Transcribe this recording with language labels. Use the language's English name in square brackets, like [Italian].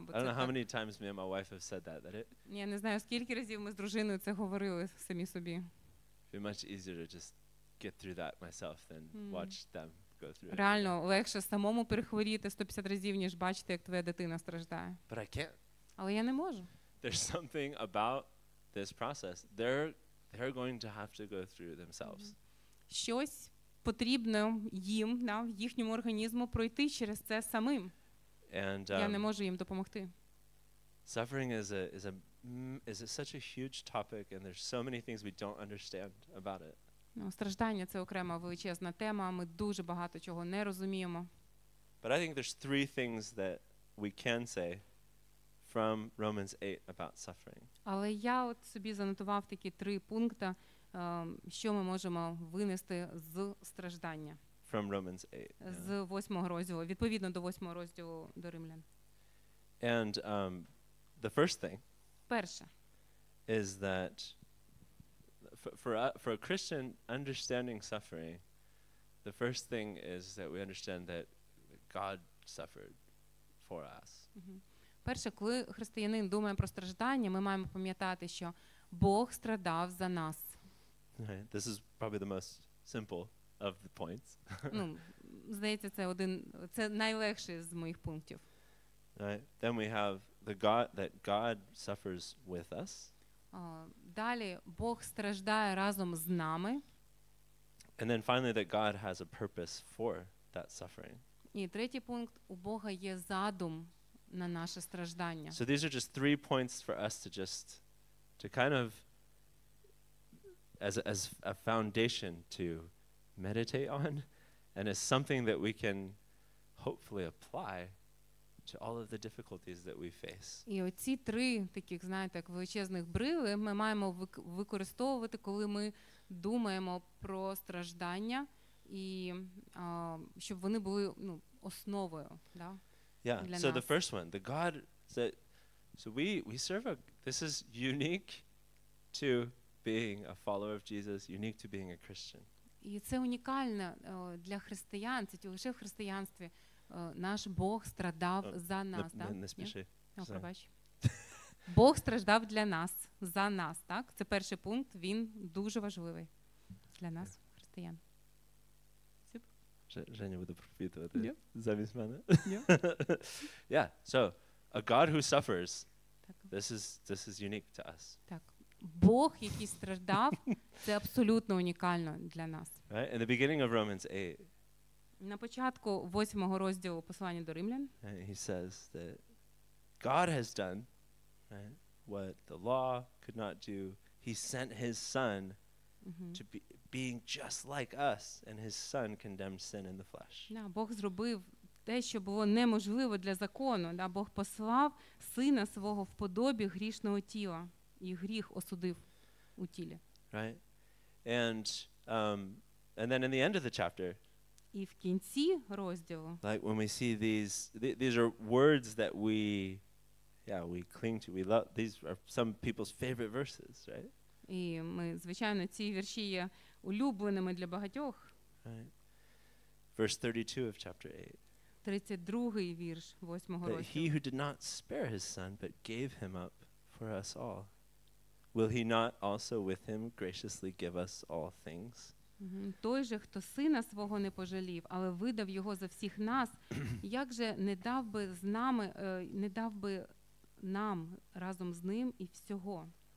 [English] I don't know how many times me and my wife have said that. [Ukrainian] Я не знаю, скільки разів ми з дружиною це говорили самі собі. [English] It'd be much easier to just get through that myself than watch them go through it. [Ukrainian] Реально, легше самому перехворіти 150 разів, ніж бачити, як твоя дитина страждає. [English] But I can't. [Ukrainian] Але я не можу. [English] There's something about this process they're going to have to go through themselves. [Ukrainian] Щось потрібно їм, в їхньому організму пройти через це самим. [English] And [Ukrainian] я не можу їм допомогти. [English] Suffering is such a huge topic and there's so many things we don't understand about it. [Ukrainian] Страждання це окрема величезна тема, ми дуже багато чого не розуміємо. [English] But I think there's three things that we can say from Romans 8 about suffering. [Ukrainian] Але я от собі занотував такі три пункти, що ми можемо винести з страждання. [English] From Romans 8. [Ukrainian] З 8-го розділу, відповідно до 8-го розділу до Римлян. [English] And the first thing. [Ukrainian] Перше. [English] Is that for a Christian understanding suffering, the first thing is that we understand that God suffered for us. [Ukrainian] Перше, коли християнин думає про страждання, ми маємо пам'ятати, що Бог страдав за нас. [English] Right. This is probably the most simple of the points. [Ukrainian] Здається, це найлегший з моїх пунктів. [English] Right. Then we have that God suffers with us. [Ukrainian] Далі Бог страждає разом з нами. [English] And then finally that God has a purpose for that suffering. [Ukrainian] І третій пункт, у Бога є задум на наше страждання. [English] So these are just three points for us to kind of as a foundation to meditate on and as something that we can hopefully apply to all of the difficulties that we face. [Ukrainian] І оці три таких, знаєте, як величезних брили ми маємо використовувати, коли ми думаємо про страждання і щоб вони були, основою, да? [English] Yeah. So [Ukrainian] нас. [English] The first one, the God that so we serve a this is unique to being a follower of Jesus, unique to being a Christian. [Ukrainian] І це унікальне для християн, це лише в християнстві наш Бог страдав за нас, так? Не спіши. Пробач. Бог страждав для нас, за нас, так? Це перший пункт, він дуже важливий для нас, християн. Женя буде проповідувати замість мене. [English] Yeah. Yeah. So, a God who suffers. This is unique to us. [Ukrainian] Так. Бог, який страждав, це абсолютно унікально для нас. [English] Right? In the beginning of Romans 8. [Ukrainian] На початку 8-го розділу послання до Римлян. [English] He says that God has done, right, what the law could not do. He sent his son to be being just like us and his son condemned sin in the flesh. [Ukrainian] Да, Бог зробив те, що було неможливо для закону, да, Бог послав сина свого в подобі грішного тіла і гріх осудив у тілі. [English] Right? And And then in the end of the chapter, [Ukrainian] і в кінці розділу, [English] like when we see these are words that we cling to. We love, these are some people's favorite verses, right? [Ukrainian] І ми, звичайно, ці вірші є улюбленими для багатьох. [English] Verse 32 of chapter 8. [Ukrainian] 32-й вірш 8-го розділу. [English] He who did not spare his son but gave him up for us all, will he not also with him graciously give us all things? [Ukrainian] Той же, хто сина свого не пожалів, але видав його за всіх нас, як же не дав би з нами, не дав би нам разом з ним і всього?